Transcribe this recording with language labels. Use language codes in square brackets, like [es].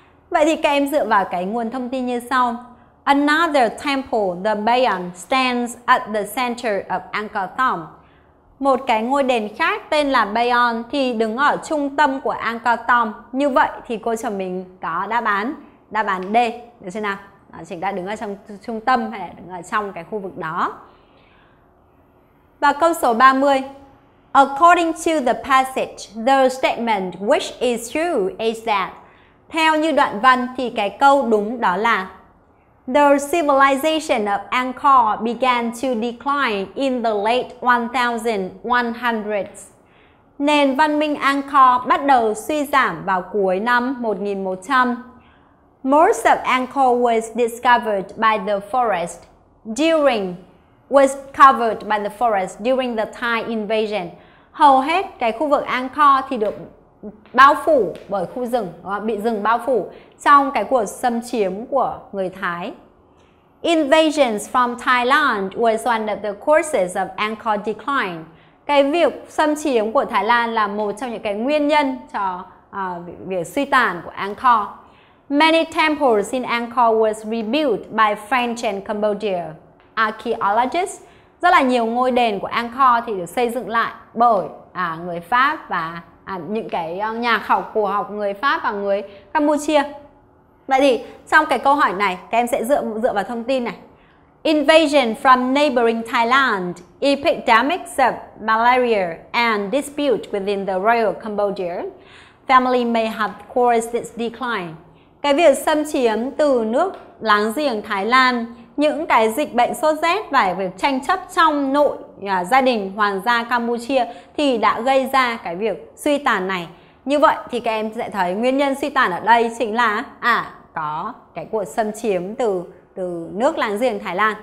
[vi] Vậy thì các em dựa vào cái nguồn thông tin như sau. [en] Another temple, the Bayan, stands at the center of Angkor Thom. [vi] Một cái ngôi đền khác tên là Bayan thì đứng ở trung tâm của Angkor Thom. Như vậy thì cô chồng mình có đáp án D, được chưa nào? Đó chính là đứng ở trong trung tâm hay là đứng ở trong cái khu vực đó. Và câu số 30. [en] According to the passage, the statement which is true is that. [vi] Theo như đoạn văn thì cái câu đúng đó là [en] the civilization of Angkor began to decline in the late 1100s. [vi] Nền văn minh Angkor bắt đầu suy giảm vào cuối năm 1100. [en] Most of Angkor was discovered by the forest during was covered by the forest during the Thai invasion. [vi] Hầu hết cái khu vực Angkor thì được bao phủ bởi khu rừng, bị rừng bao phủ trong cái cuộc xâm chiếm của người Thái. [en] Invasions from Thailand was one of the causes of Angkor decline. [vi] Cái việc xâm chiếm của Thái Lan là một trong những cái nguyên nhân cho việc suy tàn của Angkor. [en] Many temples in Angkor was rebuilt by French and Cambodia archaeologists. [vi] Rất là nhiều ngôi đền của Angkor thì được xây dựng lại bởi người Pháp và những cái nhà khảo cổ học người Pháp và người Campuchia. Vậy thì trong cái câu hỏi này các em sẽ dựa vào thông tin này. [en] Invasion from neighboring Thailand, epidemics of malaria and dispute within the royal Cambodia family may have caused its decline. [vi] cái việc xâm chiếm từ nước láng giềng Thái Lan, những cái dịch bệnh sốt rét và việc tranh chấp trong nội gia đình hoàng gia Campuchia thì đã gây ra cái việc suy tàn này. Như vậy thì các em sẽ thấy nguyên nhân suy tàn ở đây chính là có cái cuộc xâm chiếm từ nước láng giềng Thái Lan.